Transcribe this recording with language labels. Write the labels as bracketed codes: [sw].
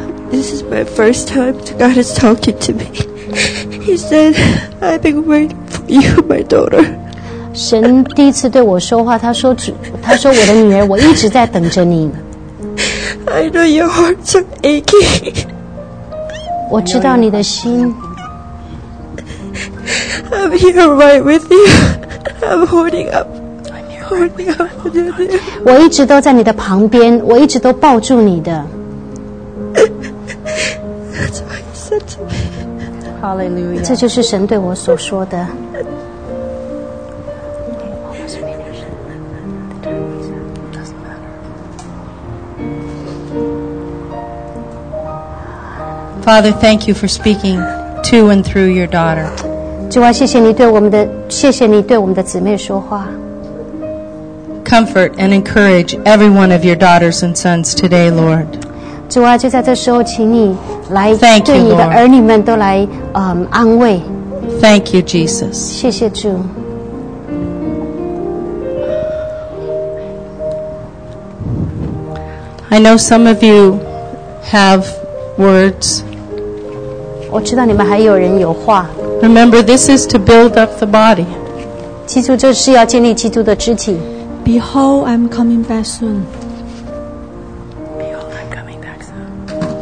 [en] This is my first time God is talking to me. He said, I've been waiting. You, my daughter. [zh] 神第一次对我说话，他说我的女儿，我一直在等着你。 [en] I know your heart's aching. [zh] 我知道你的心。 [en] I'm here right with you. I'm holding up. Holding up. [zh] 我一直都在你的旁边，我一直都抱住你的。 [en] That's what he said to me. Hallelujah. [zh] 这就是神对我所说的。 [en] Father, thank you for speaking to and through your daughter. [zh] 主啊，谢谢你对我们的，谢谢你对我们的姊妹说话。 [en] Comfort and encourage every one of your daughters and sons today, Lord. [zh] 主啊，就在这时候，请你来对你的儿女们都来安慰。 [en] Thank you, Jesus. [zh] 谢谢主。 [en] I know some of you have words. [zh] 我知道你们还有人有话。 [en] Remember, this is to build up the body. [zh] 记住这是要建立基督的肢体。 [en] Behold, I'm coming back soon. Behold, I'm coming back soon.